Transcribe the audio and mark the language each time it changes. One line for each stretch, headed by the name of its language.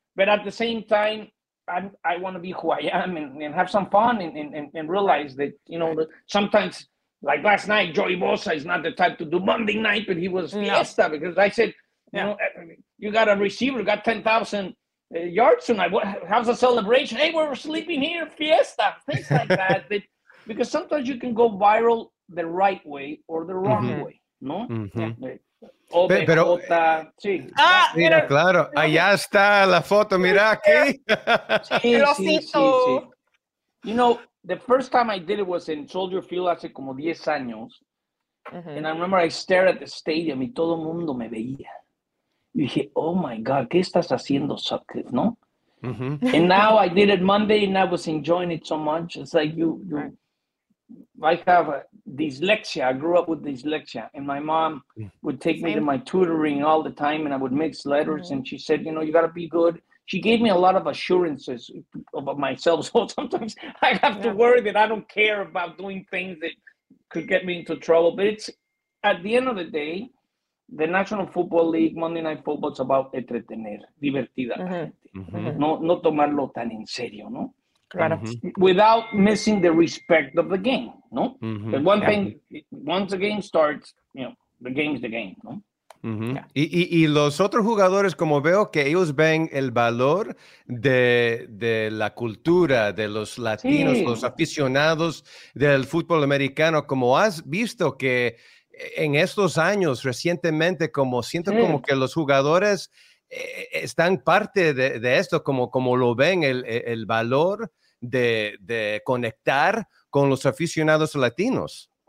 English: But at the same time, I want to be who I am and have some fun and realize that, you know, that sometimes, like last night, Joey Bosa is not the type to do Monday night, but he was fiesta because I said, you know, you got a receiver, got 10,000 yards tonight. What? How's the celebration? Hey, we're sleeping here, fiesta. Things like that. That because sometimes you can go viral the right way or the wrong way, no? Mm-hmm. Yeah.
Spanish: Pero, sí. Mira, claro, allá está la foto, mira aquí.
English: Sí. You know, the first time I did it was in Soldier Field
Spanish: hace como 10 años.
English: Mm-hmm. And I remember I stared at the stadium
Spanish: y todo el mundo me veía. Y dije,
English: oh my God,
Spanish: ¿qué estás haciendo, Sutcliffe, no? Mm-hmm.
English: And now I did it Monday and I was enjoying it so much. It's like I have a dyslexia. I grew up with dyslexia, and my mom would take me to my tutoring all the time, and I would mix letters. Mm-hmm. And she said, "You know, you gotta be good." She gave me a lot of assurances about myself. So sometimes I have to worry that I don't care about doing things that could get me into trouble. But it's at the end of the day, the National Football League Monday Night Football is about
Spanish: entretener, divertida,
English: mm-hmm.
Spanish: Mm-hmm. no tomarlo tan en serio, no. Mm-hmm.
English: Without missing the respect of the game, no? Mm-hmm. But one thing, once the game starts, you know, the game's the game, no? Mm-hmm. Yeah.
Spanish: Y los otros jugadores, como veo, que ellos ven el valor de la cultura, de los latinos, los aficionados del fútbol americano, como has visto que en estos años, recientemente, como siento como que los jugadores están parte de esto, como lo ven, el valor de conectar con los aficionados latinos.